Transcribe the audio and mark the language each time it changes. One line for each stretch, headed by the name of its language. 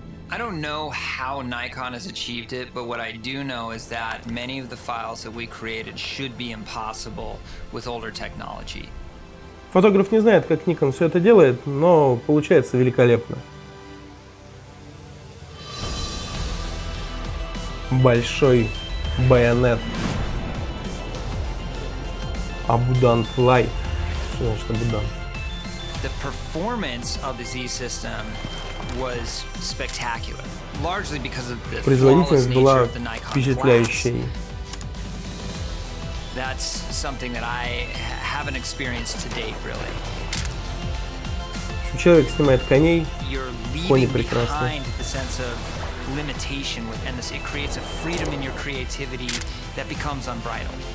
English: I don't know how Nikon has achieved it, but what I do know is that many of the files that we created should be impossible with older technology.
Russian: Фотограф не знает, как Nikon все это делает, но получается великолепно. Большой байонет.
English: Abundant Light.
Russian: Что значит
English: Abundant? The performance of the Z system was spectacular, largely because of the flawless nature of the Nikon glass. That's something that I haven't experienced to date, really.
Russian: Человек снимает коней, кони прекрасны.
English: The sense of limitation with NSC creates a freedom in your creativity that becomes unbridled.